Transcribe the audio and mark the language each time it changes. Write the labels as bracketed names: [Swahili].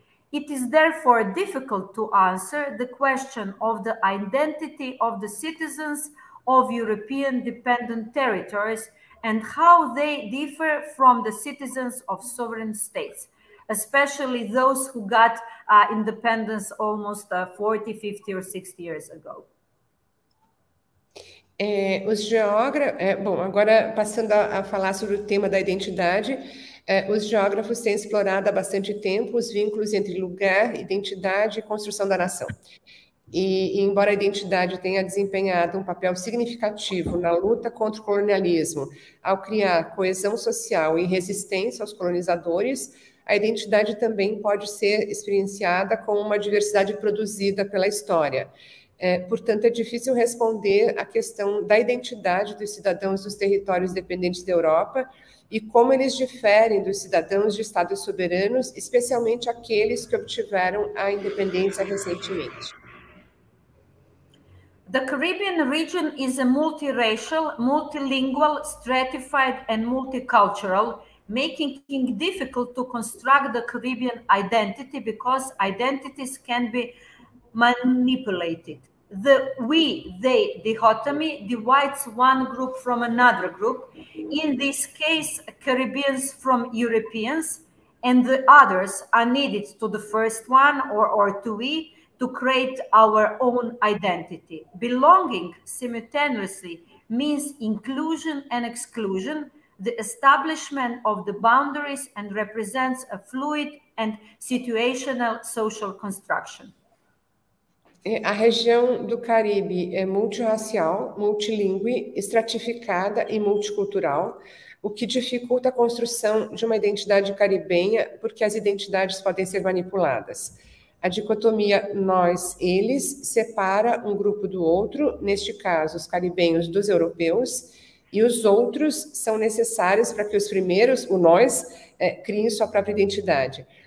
[English] It is therefore difficult to answer the question of the identity of the citizens of European dependent territories and how they differ from the citizens of sovereign states, especially those who got independence almost 40, 50 or 60 years ago. [Portuguese] Agora passando a falar sobre o tema da identidade, os geógrafos têm explorado há bastante tempo os vínculos entre lugar, identidade e construção da nação. E embora a identidade tenha desempenhado um papel significativo na luta contra o colonialismo, ao criar coesão social e resistência aos colonizadores, a identidade também pode ser experienciada como uma diversidade produzida pela história. Portanto, é difícil responder à questão da identidade dos cidadãos dos territórios dependentes da Europa e como eles diferem dos cidadãos de estados soberanos, especialmente aqueles que obtiveram a independência recentemente. [English] The Caribbean region is a multiracial, multilingual, stratified and multicultural, making it difficult to construct the Caribbean identity because identities can be manipulated. The we-they dichotomy divides one group from another group, in this case, Caribbeans from Europeans, and the others are needed to the first one or to we to create our own identity. Belonging simultaneously means inclusion and exclusion, the establishment of the boundaries and represents a fluid and situational social construction. [Portuguese] A região do Caribe é multirracial, multilingüe, estratificada e multicultural, o que dificulta a construção de uma identidade caribenha porque as identidades podem ser manipuladas. A dicotomia nós-eles separa um grupo do outro, neste caso os caribenhos dos europeus, e os outros são necessários para que os primeiros, o nós, criem sua própria identidade.